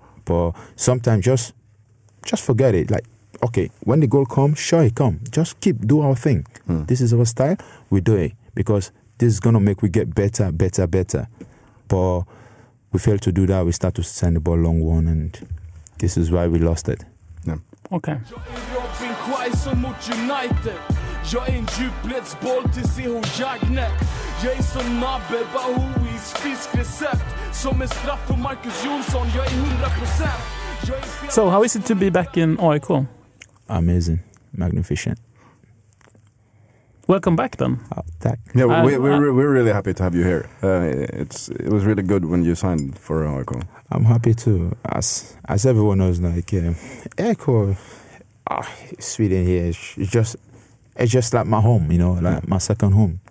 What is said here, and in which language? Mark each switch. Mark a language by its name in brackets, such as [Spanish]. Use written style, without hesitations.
[English] But sometimes just forget it. Like, okay, when the goal comes, sure, it comes. Just keep, do our thing. Mm. This is our style. We do it because this is going to make we get better, better, better. But we fail to do that, we start to send the ball long one, and this is why we lost it. Yeah. [Swedish] Okay. Robin Quaison mot United. Jag är en djupledsboll till CH Jagnet. Jag är som Nabe Bahouis fiskrecept. Som en straff för Marcus Jonsson. Jag är 100%. [English] So how is it to be back in AIK? Amazing. Magnificent. Welcome back, then. Thank you. Yeah, we're really happy to have you here. It was really good when you signed for AIK. I'm happy too. As everyone knows, like AIK, Sweden here, it's just like my home, you know, like my second home.